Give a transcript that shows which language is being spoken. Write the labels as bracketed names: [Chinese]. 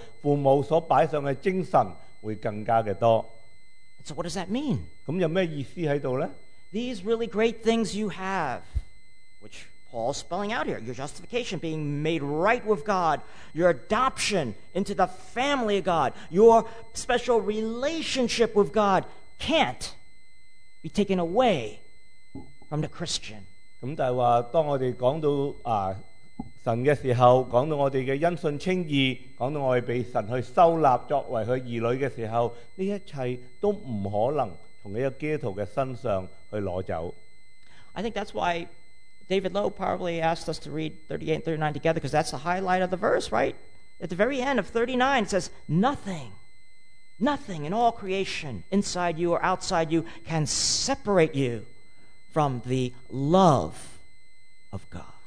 [Chinese] 当这个浪子做的错事越来越多的时候，父母所摆上的精神会更加的多。 [English] So what does that mean? [Chinese] 有什么意思在这里呢? [English] These really great things you have, which Paul's spelling out here, your justification, being made right with God, your adoption into the family of God, your special relationship with God, can't be taken away from the Christian. [Chinese] 但是当我们讲到神的时候，讲到我们的恩信称义，讲到我们被神去收纳作为他儿女的时候，这一切都不可能从一个基督徒的身上去拿走。 [English] I think that's why David Lowe probably asked us to read 38 and 39 together, because that's the highlight of the verse, right? At the very end of 39, it says, nothing in all creation, inside you or outside you, can separate you from the love of God.